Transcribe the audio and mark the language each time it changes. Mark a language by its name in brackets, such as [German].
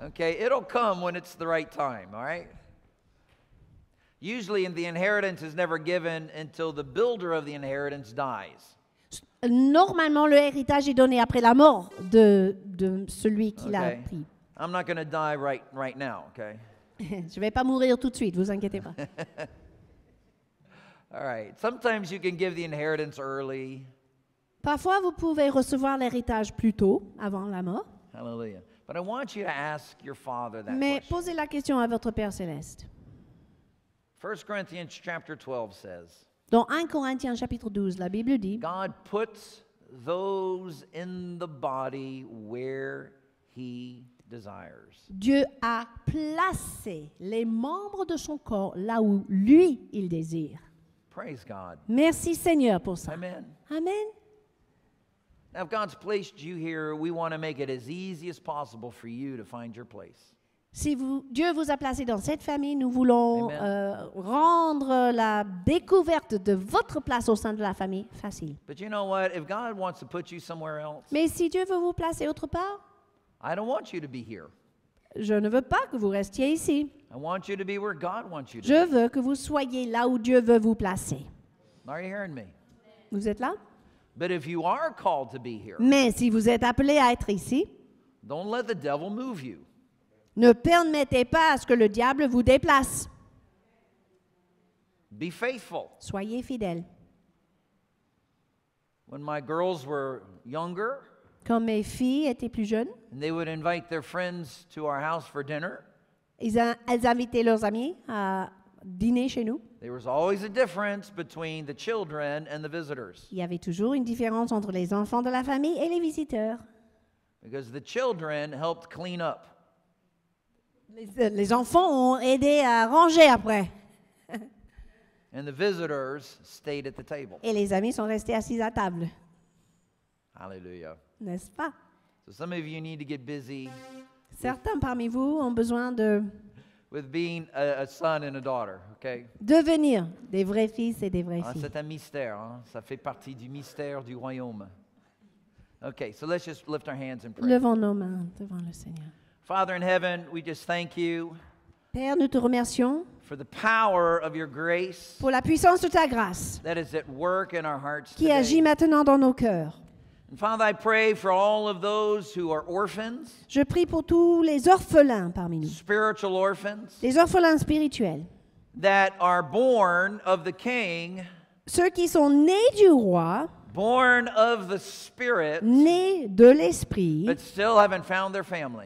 [English] Okay, it'll come when it's the right time, all right? Usually, the inheritance is never given until the builder of the inheritance dies. [French] Normalement, le héritage est donné après la mort de celui qui l'a pris. [English] I'm not going to die right now, okay? [French] Je vais pas mourir tout de suite. Vous inquiétez pas. [English] All right. Sometimes you can give the inheritance early. [French] Parfois, vous pouvez recevoir l'héritage plus tôt, avant la mort. [English] Hallelujah. But I want you to ask your Father that. [French] Mais question. Posez la question à votre Père céleste. [English] 1 Corinthians chapter 12 says. [French] Dans 1 Corinthiens chapitre 12, la Bible dit. [English] God puts those in the body where He desires. [French] Dieu a placé les membres de son corps là où lui il désire. [English] Praise God. [French] Merci Seigneur pour ça. [English] Amen. [French] Amen. [English] Now, if God's placed you here, we want to make it as easy as possible for you to find your place. [French] Si Dieu vous a placé dans cette famille, nous voulons rendre la découverte de votre place au sein de la famille facile. [English] But you know what? If God wants to put you somewhere else, [French] mais si Dieu veut vous placer autre part, [English] I don't want you to be here. [French] Je ne veux pas que vous restiez ici. [English] I want you to be where God wants you to [French] je [English] be. [French] Veux que vous soyez là où Dieu veut vous placer. [English] Are you hearing me? [French] Vous êtes là? [English] But if you are called to be here, [French] mais si vous êtes appelé à être ici, [English] don't let the devil move you. [French] Ne permettez pas à ce que le diable vous déplace. [English] Be faithful. [French] Soyez fidèle. [English] When my girls were younger, [French] quand mes filles étaient plus jeunes, [English] and they would invite their friends to our house for dinner, [French] elles invitaient leurs amis à dîner chez nous. [English] There was always a difference between the children and the visitors. [French] Il y avait toujours une différence entre les enfants de la famille et les visiteurs. [English] Because the children helped clean up. [French] Les enfants ont aidé à ranger après. [English] And the visitors stayed at the table. [French] Et les amis sont restés assis à table. [English] Hallelujah. [French] N'est-ce pas? [English] So some of you need to get busy. [French] Certains parmi vous ont besoin de [English] with being a son and a daughter, okay? [French] Devenir des vrais fils et des vraies filles. C'est un mystère, hein? Ça fait partie du mystère du royaume. [English] Okay, so let's just lift our hands and pray. [French] Levons nos mains devant le Seigneur. [English] Father in heaven, we just thank you. [French] Père, nous te remercions. [English] For the power of your grace. [French] Pour la puissance de ta grâce. [English] That is at work in our hearts. [French] Qui [English] today. [French] Agit maintenant dans nos cœurs. [English] And Father, I pray for all of those who are orphans. [French] Je prie pour tous les orphelins parmi nous. [English] Spiritual orphans. [French] Les orphelins spirituels. [English] That are born of the King. [French] Ceux qui sont nés du roi. [English] Born of the Spirit. [French] Nés de l'esprit. [English] But still haven't found their family.